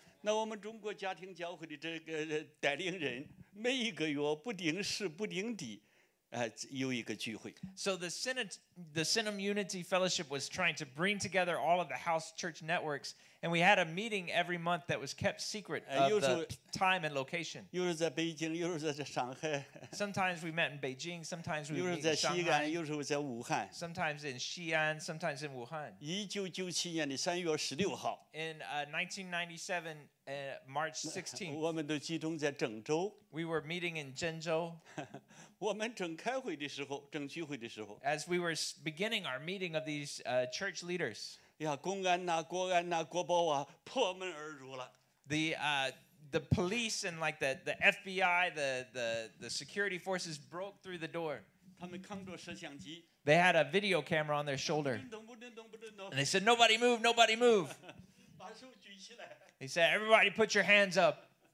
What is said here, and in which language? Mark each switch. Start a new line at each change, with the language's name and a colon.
English: So the Sinim Unity Fellowship was trying to bring together all of the house church networks And we had a meeting every month that was kept secret of the time and location.
Chinese: 又是在北京，又是在上海。
English: Sometimes we met in Beijing, sometimes we met in Shanghai.
Chinese: 又是在西安，又是在武汉。
English: Sometimes in Xi'an, sometimes in Wuhan.
Chinese: 1997年的3月16号。
English: In 1997, March 16th.
Chinese: 我们都集中在郑州。
English: We were meeting in Zhengzhou.
Chinese: 我们正开会的时候，正聚会的时候。
English: As we were beginning our meeting of these church leaders.
Chinese: 呀，公安呐，国安呐，国保啊，破门而入了。
English: The police and like the FBI, the security forces broke through the door.
Chinese: 他们扛着摄像机。
English: They had a video camera on their shoulder.
Chinese: 不能动，不能动，不能动。
English: And they said, "Nobody move, nobody move."
Chinese: 把手举起来。
English: He said, "Everybody, put your hands up."